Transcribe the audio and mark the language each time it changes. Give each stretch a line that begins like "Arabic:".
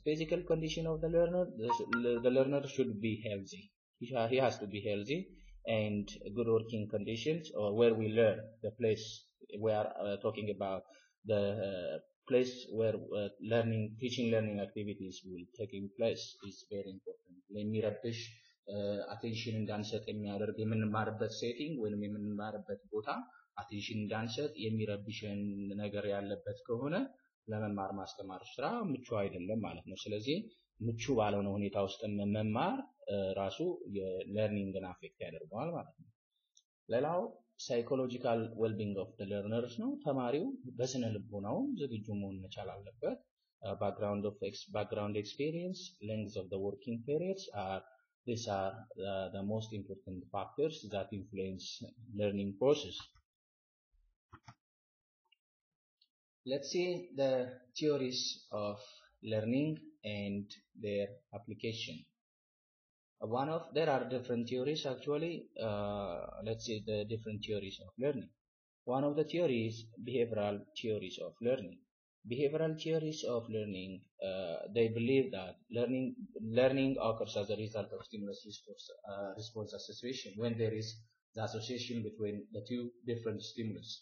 English: Physical condition of the learner, the learner should be healthy. He has to be healthy and good working conditions, or where we learn, the place we are talking about, the place where learning, teaching learning activities will take place is very important.
Amharic: ለሚረብሽ አቴንሽን እንዳንሰጥ የሚያደርግ የምንማርበት ሴቲንግ ወይንም የምንማርበት ቦታ አቴንሽን እንዳንሰጥ የሚረብሽን ነገር ያለበት ከሆነ ለመማር ማስተማር ስራ ምቹ አይደለም ማለት ነው። ስለዚህ ምቹ ባለው ሁኔታ ውስጥ መማር ራሱ የለርኒንግን አፌክት ያደርጋል ማለት ነው። ለላው
English: psychological well-being of the learners
Amharic: no tamariu besene lbonaw zigiju mon nechal allebet
English: background of background experience lengths of the working periods these are the most important factors that influence learning process. Let's see the theories of learning and their application. There are different theories actually. Let's see the different theories of learning. One of the theories, behavioral theories of learning. Behavioral theories of learning, they believe that learning occurs as a result of stimulus response association when there is the association between the two different stimulus.